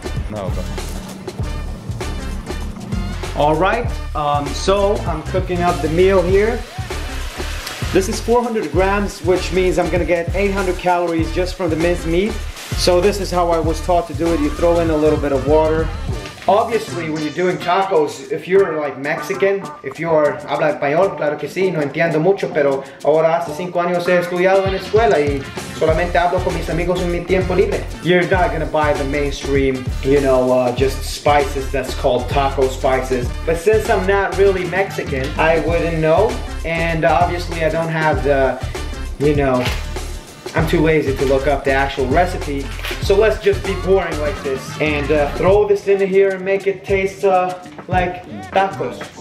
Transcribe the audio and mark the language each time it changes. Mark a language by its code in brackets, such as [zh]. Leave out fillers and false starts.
[en] No, but... All right, so I'm cooking up the meal here. This is 400 grams, which means I'm gonna get 800 calories just from the minced meat. So this is how I was taught to do it. You throw in a little bit of water. Obviously, when you're doing tacos, if you're [es] like Mexican, if you're, habla español, claro que sí, no entiendo mucho, pero ahora hace 5 años he estudiado en escuela y solamente hablo con mis amigos en mi tiempo libre. [en] You're not gonna buy the mainstream, you know, just spices that's called taco spices. But since I'm not really Mexican, I wouldn't know. And obviously, I don't have the, you know, I'm too lazy to look up the actual recipe. So let's just be boring like this and throw this in here and make it taste like tacos.